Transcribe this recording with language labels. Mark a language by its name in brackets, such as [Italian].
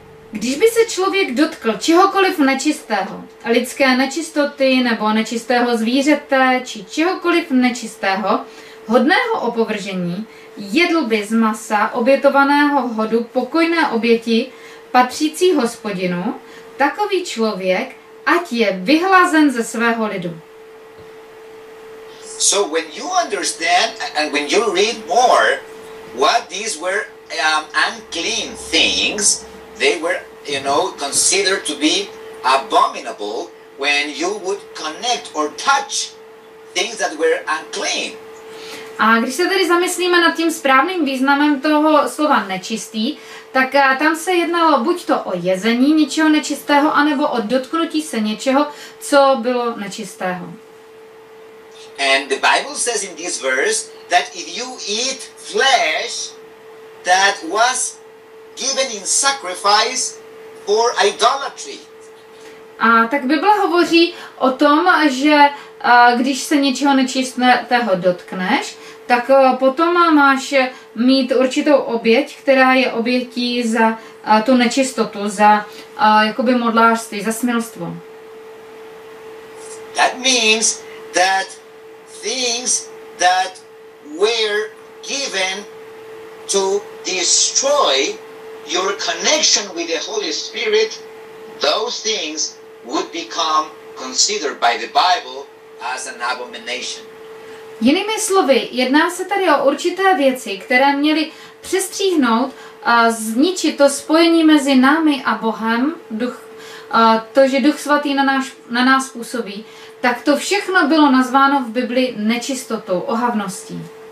[Czech] Když by se člověk dotkl čehokoliv nečistého, lidské nečistoty nebo nečistého zvířete či čehokoliv nečistého, hodného opovržení, jedl by z masa obětovaného hodu pokojné oběti patřící Hospodinu, takový člověk, ať je vyhlazen ze svého lidu. [English] So when you understand and when you read more what these were unclean things, they were, you know, considered to be abominable when you would connect or touch things that were unclean. [Czech] A když se tady zamyslíme nad tím správným významem toho slova nečistý, tak tam se jednalo buď to o jezení něčeho nečistého, anebo o dotknutí se něčeho, co bylo nečistého. [English] And the Bible says in this verse that if you eat flesh that was given in sacrifice for idolatry. [Czech] A tak Bible hovoří o tom, že když se něčeho nečistného dotkneš, tak potom máš mít určitou oběť, která je obětí za tu nečistotu, za jakoby modlářství, za smilstvo. [English] That means that things that were given to destroy your connection with the Holy Spirit, those things would become considered by the Bible as an abomination. [Czech] Jinými slovy, jedná se tady o určité věci, které měly přestříhnout a zničit to spojení mezi námi a Bohem, to, že Duch Svatý na nás působí, tak to všechno bylo nazváno v Bibli nečistotou, ohavností.